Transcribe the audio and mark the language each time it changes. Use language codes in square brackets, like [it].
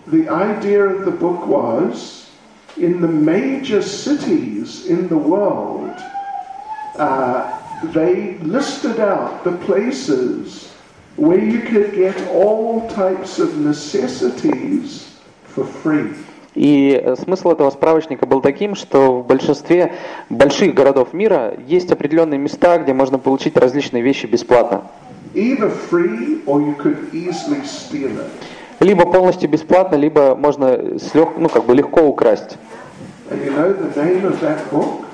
[en] The idea of the book was in the major cities in the world, they listed out the places where you could get all types of necessities for free. [ru] И смысл этого справочника был таким, что в большинстве больших городов мира есть определенные места, где можно получить различные вещи бесплатно. [en] Either free, or you could easily steal it. [ru] Либо полностью бесплатно, либо можно легко украсть. [en] And you know the name of that book?